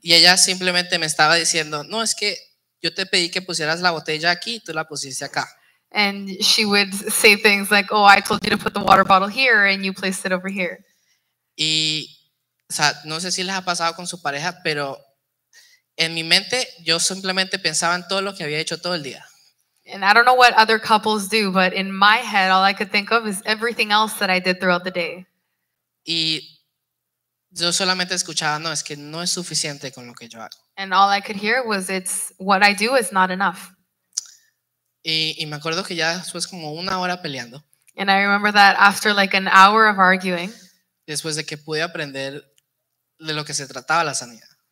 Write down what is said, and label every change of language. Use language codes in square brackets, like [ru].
[es] Y ella simplemente me estaba diciendo, no, es que yo te pedí que pusieras la botella aquí y tú la pusiste acá. [en] And she would say things like, oh, I told you to put the water bottle here and you placed it over here. [es] Y, o sea, no sé si les ha pasado con su pareja, pero en mi mente yo simplemente pensaba en todo lo que había hecho todo el día. [en] And I don't know what other couples do, but in my head, all I could think of is everything else that I did throughout the day. [es] Y yo solamente escuchaba, no, es que no es suficiente con lo que yo hago. [en] And all I could hear was, it's what I do is not enough. [es] Y me acuerdo que ya después como una hora peleando. [en] And I remember that after like an hour of arguing. [es] Después de que pude aprender de lo que se trataba la sanidad.